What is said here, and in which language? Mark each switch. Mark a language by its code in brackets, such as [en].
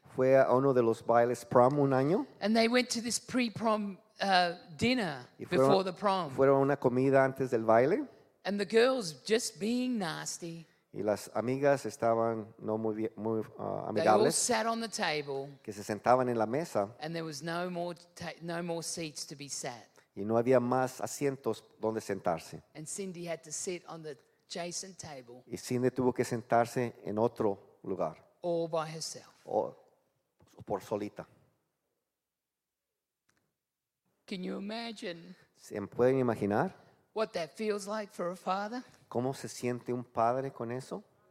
[es] Fue a uno de los bailes prom un año. [en] And they went to this pre-prom dinner before the prom. [es] Fueron una comida antes del baile. [en] And the girls just being nasty. [es] Y las amigas estaban no muy bien, muy amigables. [en] They all sat on the table. [es] Que se sentaban en la mesa. [en] And there was no more seats to be sat. [es] Y no había más asientos donde sentarse. [en] And Cindy had to sit on the adjacent table. [es] Y Cindy tuvo que sentarse en otro lugar. [en] All by herself. [es] O por solita. [en] Can you imagine? [es] ¿Se pueden imaginar? [en] What that feels like for a father? [es] ¿Cómo se siente un padre con eso?